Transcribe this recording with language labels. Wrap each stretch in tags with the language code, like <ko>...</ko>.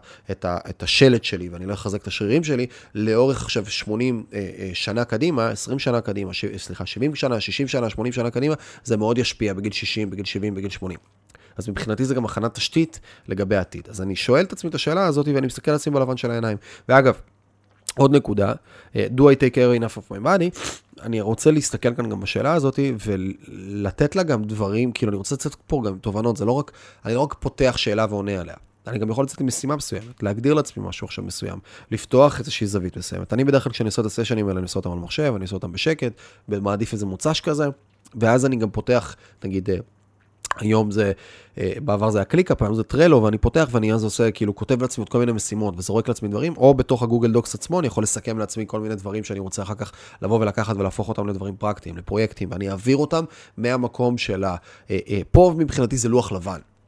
<he>את השלט שלי, ואני לא אחזק את השרירים שלי, לאורך עכשיו 80 שנה קדימה, 20 שנה קדימה, 70 שנה, 60 שנה, 80 שנה קדימה, זה מאוד ישפיע בגיל 60, בגיל 70, בגיל 80. אז מבחינתי זה גם הכנת תשתית לגבי העתיד. אז אני שואל את עצמי את השאלה הזאת, ואני מסתכל על עצמי בלבן של העיניים. ואגב, עוד נקודה,</he> <en>do I take care enough of my body?</en> <he>אני רוצה להסתכל כאן גם בשאלה הזאת, ולתת לה גם דברים, כאילו אני רוצה לצאת פה גם תובנות, זה לא רק, אני לא רק פותח שאלה ועונה עליה. אני גם יכול לצאת למשימה מסוימת, להגדיר לעצמי משהו עכשיו מסוים, לפתוח איזושהי זווית מסוימת. אני בדרך כלל כשאני עושה את הסשנים האלה, אני עושה אותם על מחשב, אני עושה אותם בשקט, ומעדיף איזה מוצש כזה, ואז אני גם פותח, נגיד, היום זה, בעבר זה הקליקה, פעם זה טרלו, ואני פותח ואני אז עושה, כאילו, כותב לעצמי עוד כל מיני משימות, וזורק לעצמי דברים, או בתוך הגוגל דוקס עצמו, אני יכול לסכם לעצמי כל מיני דברים שאני רוצה אחר כך לבוא ולקחת ולהפוך אותם לדברים פרקטיים, לפרויקטים, ואני אעביר אותם מהמקום של פה מבחינתי זה לוח לבן.</he>